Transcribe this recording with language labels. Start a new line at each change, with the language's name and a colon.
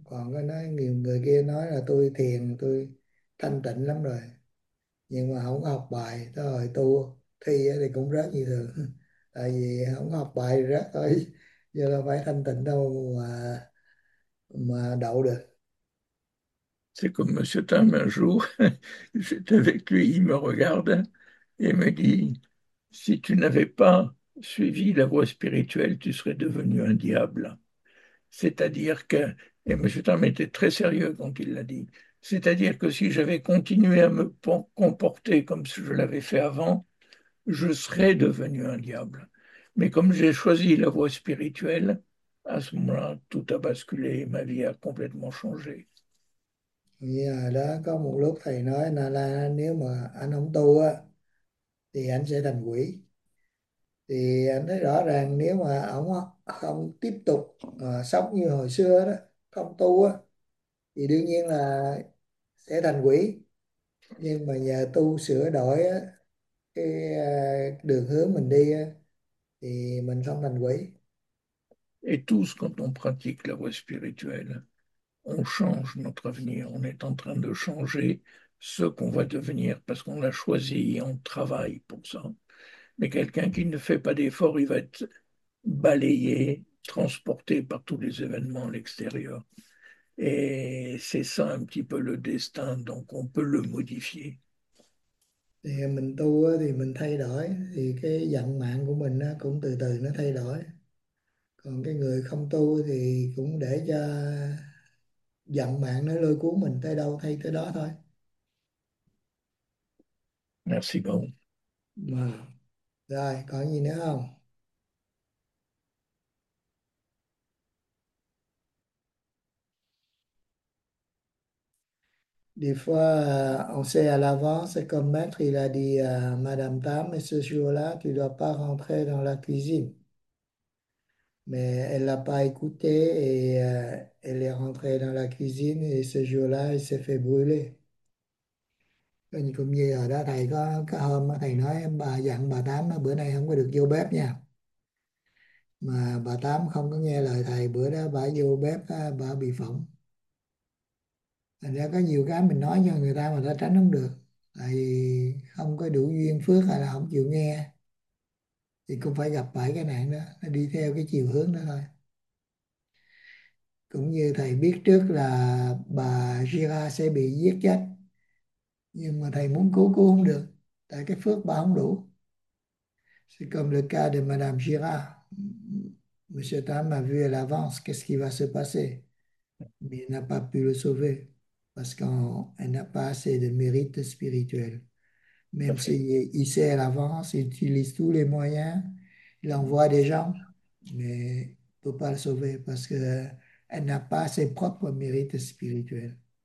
Vietnamese: Còn có nói nhiều người kia nói là tôi thiền, tôi thanh tịnh lắm rồi, nhưng mà không học bài tới hồi tu thi thì cũng rớt như thường, tại vì không học bài thì rớt thôi, giờ là phải thanh tịnh đâu mà đậu được.
French: C'est comme Monsieur Tam un jour, j'étais avec lui, il me regarde et me dit: si tu n'avais pas suivi la voie spirituelle, tu serais devenu un diable. C'est-à-dire que, et Monsieur Tam était très sérieux quand il l'a dit, c'est-à-dire que si j'avais continué à me comporter comme je l'avais fait avant, je serais devenu un diable. Mais comme j'ai choisi la voie spirituelle, à ce moment-là, tout a basculé, ma vie a complètement changé.
Vietnamese: Yeah, đó có một lúc thầy nói là nếu mà anh không tu á thì anh sẽ thành quỷ. Thì anh thấy rõ ràng nếu mà ổng không tiếp tục sống như hồi xưa đó, không tu á, thì đương nhiên là sẽ thành quỷ. Nhưng mà nhờ tu sửa đổi á, cái đường hướng mình đi á, thì mình không thành quỷ.
French: Et tous, quand on pratique la voie spirituelle, on change notre avenir, on est en train de changer ce qu'on va devenir parce qu'on l'a choisi et on travaille pour ça. Mais quelqu'un qui ne fait pas d'effort, il va être balayé, transporté par tous les événements à l'extérieur. Et c'est ça un petit peu le destin, donc on peut le modifier.
Vietnamese: Thì mình tu thì mình thay đổi, thì cái vận mạng của mình nó cũng từ từ nó thay đổi. Còn cái người không tu thì cũng để cho vận mạng nó lôi cuốn mình tới đâu thay tới đó thôi.
French: Merci beaucoup.
Vietnamese: Mà rồi còn gì nữa không?
French: Des fois, on sait à l'avance, c'est comme maître, il a dit à Madame Tam, mais ce jour-là, tu ne dois pas rentrer dans la cuisine. Mais elle ne l'a pas écouté et elle est rentrée dans la cuisine et ce jour-là, elle s'est fait brûler.
Vietnamese: Cũng như ở đó, thầy có cái hôm thầy nói bà dặn bà Tám nó bữa nay không có được vô bếp nha. Mà bà Tám không có nghe lời thầy, bữa đó bà vô bếp, bà bị phỏng. Thành ra có nhiều cái mình nói cho người ta mà ta tránh không được, tại không có đủ duyên phước hay là không chịu nghe thì cũng phải gặp phải cái nạn đó, nó đi theo cái chiều hướng đó thôi. Cũng như thầy biết trước là bà Gira sẽ bị giết chết, nhưng mà thầy muốn cứu cũng không được, tại cái phước bà không đủ.
French: C'est comme le cas de Madame Gira. Monsieur Tam a vu à l'avance qu'est-ce qui va se passer, mais il n'a pas pu le sauver. Parce qu'on, elle n'a pas assez de mérite spirituel. Même Merci. s'il sait à l'avance, il utilise tous les moyens, il envoie des gens, mais il ne peut pas le sauver parce qu'elle n'a pas ses propres mérites spirituels.